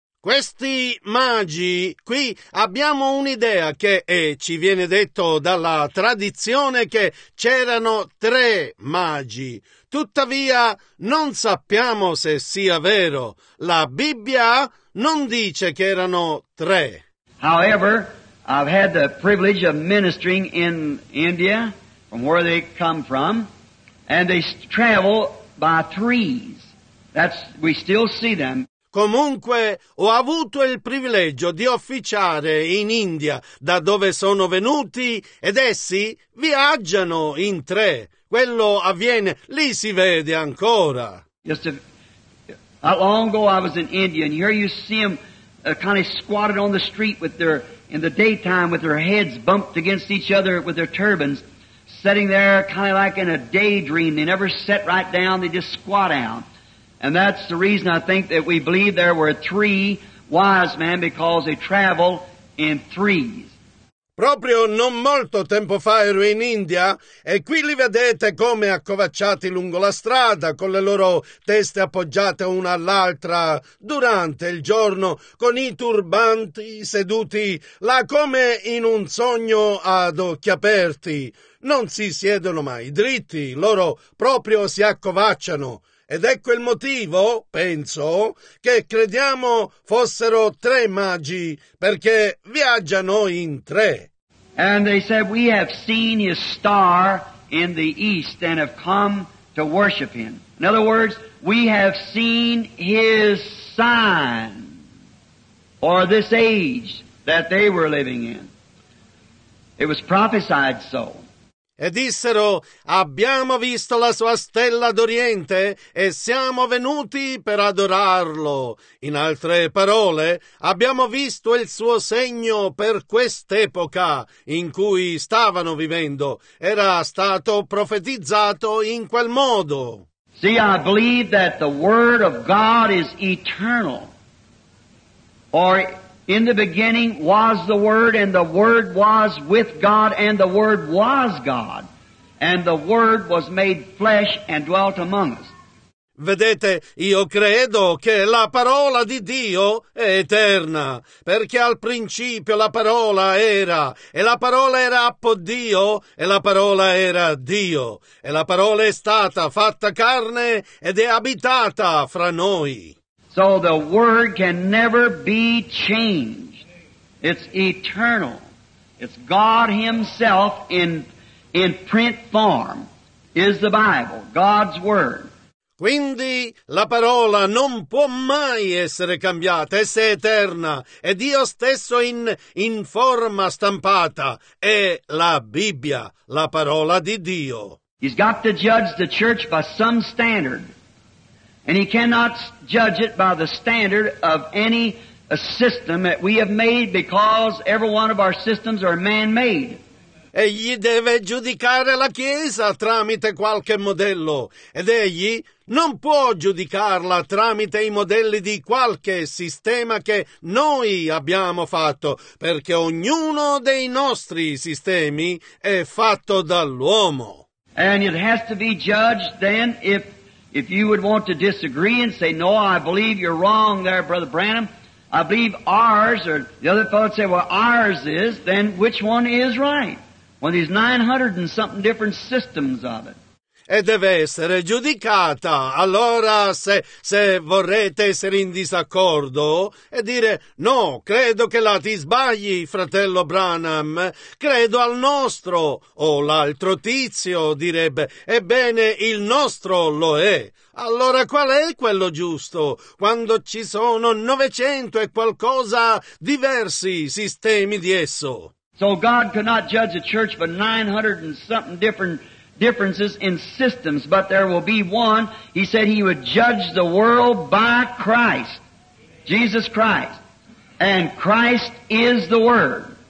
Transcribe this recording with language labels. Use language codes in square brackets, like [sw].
[it] Questi magi, qui abbiamo un'idea che ci viene detto dalla tradizione che c'erano tre magi. Tuttavia non sappiamo se sia vero. La Bibbia non dice che erano tre. [en] However, I've had the privilege of ministering in India, from where they come from, and they travel by threes. That's, we still see them. [it] Comunque, ho avuto il privilegio di officiare in India, da dove sono venuti, ed essi viaggiano in tre. Quello avviene, lì si vede ancora. [en] Just a long ago I was in India, and here you see them kind of squatted on the street with their, in the daytime, with their heads bumped against each other with their turbans, sitting there kind of like in a daydream. They never sit right down, they just squat down. And that's the reason I think that we believe there were three wise men, because they travel in threes. [it] Proprio non molto tempo fa ero in India e qui li vedete come accovacciati lungo la strada, con le loro teste appoggiate una all'altra durante il giorno, con i turbanti seduti là come in un sogno ad occhi aperti. Non si siedono mai dritti, loro proprio si accovacciano. Ed ecco il motivo, penso, che crediamo fossero tre magi, perché viaggiano in tre. [en] And they said, we have seen his star in the east and have come to worship him. In other words, we have seen his sign or this age that they were living in. It was prophesied so. [it] E dissero, abbiamo visto la sua stella d'Oriente e siamo venuti per adorarlo. In altre parole, abbiamo visto il suo segno per quest'epoca in cui stavano vivendo. Era stato profetizzato in quel modo. [en] See, I believe that the word of God is eternal. Or in the beginning was the Word, and the Word was with God, and the Word was God, and the Word was made flesh and dwelt among us. [it] Vedete, io credo che la parola di Dio è eterna, perché al principio la parola era, e la parola era appo Dio, e la parola era Dio, e la parola è stata fatta carne ed è abitata fra noi. [en] So the Word can never be changed. It's eternal. It's God Himself in print form, is the Bible, God's Word. [it] Quindi la parola non può mai essere cambiata, essa è eterna, è Dio stesso in forma stampata, è la Bibbia, la parola di Dio. [en] He's got to judge the church by some standard. And he cannot judge it by the standard of any system that we have made, because every one of our systems are man-made. [it] Egli deve giudicare la Chiesa tramite qualche modello, ed egli non può giudicarla tramite i modelli di qualche sistema che noi abbiamo fatto, perché ognuno dei nostri sistemi è fatto dall'uomo. [en] And it has to be judged then if you would want to disagree and say, no, I believe you're wrong there, Brother Branham. I believe ours, or the other fellow would say, well, ours is, then which one is right? One of these 900 and something different systems of it. [it] E deve essere giudicata. Allora, se vorrete essere in disaccordo e dire, no, credo che là ti sbagli, fratello Branham, credo al nostro, o l'altro tizio direbbe, ebbene, il nostro lo è. Allora, qual è quello giusto, quando ci sono 900 e qualcosa diversi sistemi di esso? [en] So God could not judge a church but 900 and something different differences in systems, but there will be one. He said he would judge the world by Christ, Jesus Christ, and Christ is the Word.